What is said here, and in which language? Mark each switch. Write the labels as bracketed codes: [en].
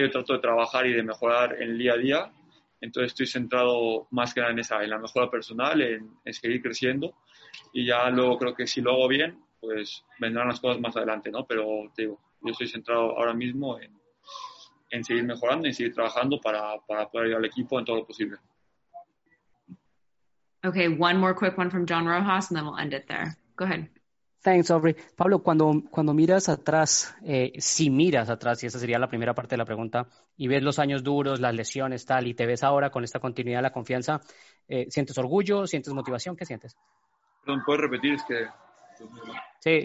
[es] Yo trato de trabajar y de mejorar en el día a día. Entonces estoy centrado más que nada en esa, en la mejora personal, en seguir creciendo. Y ya luego creo que si lo hago bien, pues vendrán las cosas más adelante, ¿no? Pero te digo, yo estoy centrado ahora mismo en seguir mejorando, en seguir trabajando para poder ayudar al equipo en todo lo posible. [en] Okay, one more quick one from John Rojas, and then we'll end it there. Go ahead. Thanks, Aubrey. [es] Pablo, cuando miras atrás, si miras atrás, y esa sería la primera parte de la pregunta, y ves los años duros, las lesiones, tal, y te ves ahora con esta continuidad, la confianza, ¿sientes orgullo? ¿Sientes motivación? ¿Qué sientes? Perdón, ¿puedes repetir? Es que...